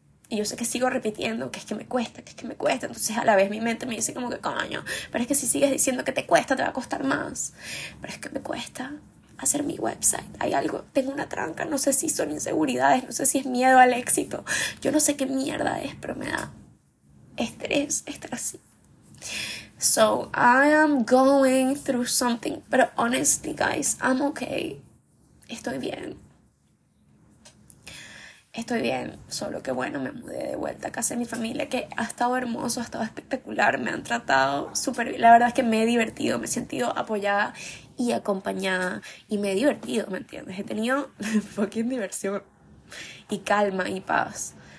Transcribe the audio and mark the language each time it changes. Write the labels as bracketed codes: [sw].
[es] Y yo sé que sigo repitiendo que es que me cuesta. Entonces a la vez mi mente me dice como que, coño, pero es que si sigues diciendo que te cuesta, te va a costar más. Pero es que me cuesta. hacer mi website. Hay algo, tengo una tranca, no sé si son inseguridades, no sé si es miedo al éxito. Yo no sé qué mierda es, pero me da estrés estar así. [en] So I am going through something, but honestly guys, I'm okay. [es] Estoy bien. Estoy bien, solo que bueno, me mudé de vuelta a casa de mi familia, que ha estado hermoso, ha estado espectacular, me han tratado súper bien. La verdad es que me he divertido, me he sentido apoyada y acompañada. Y me he divertido, ¿me entiendes? He tenido fucking diversión y calma y paz.